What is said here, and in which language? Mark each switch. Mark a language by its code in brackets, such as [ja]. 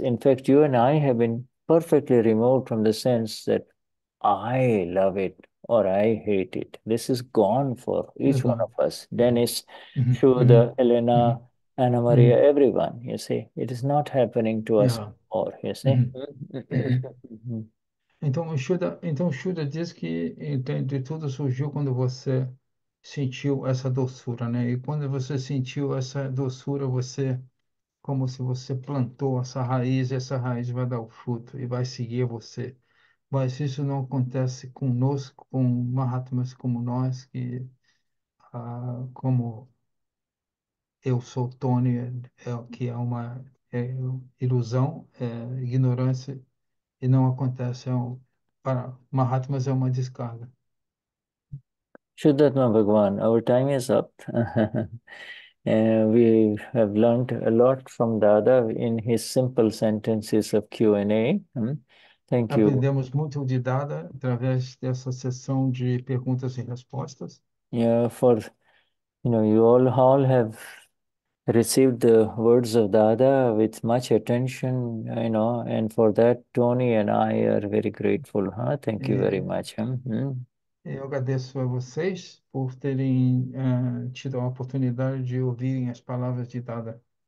[en] In fact, you and I have been perfectly remote from the sense that I love it or I hate it. This is gone for each one of us. Dennis, Shuddha, Elena, Ana Maria, everyone, you see. It is not happening to us anymore, you see. [pt] Então Shuddha diz que entende, tudo surgiu quando você sentiu essa doçura, né? E quando você sentiu essa doçura, você, como se você plantou essa raiz vai dar o fruto e vai seguir você. Mas isso não acontece conosco, com Mahatmas como nós, que como eu sou Tony, que é uma ilusão, ignorância, e não acontece. Para Mahatmas é uma descarga. [en] Shuddhatma Bhagwan, our time is up. We have learned a lot from Dada in his simple sentences of Q&A. Thank you. [pt] Aprendemos muito de Dada através dessa sessão de perguntas e respostas. [en] Yeah, for you know, you all have received the words of Dada with much attention, you know, and for that, Tony and I are very grateful. Thank you very [pt] E [en] much. [pt] eu agradeço a vocês por terem tido a oportunidade de ouvirem as palavras de Dada.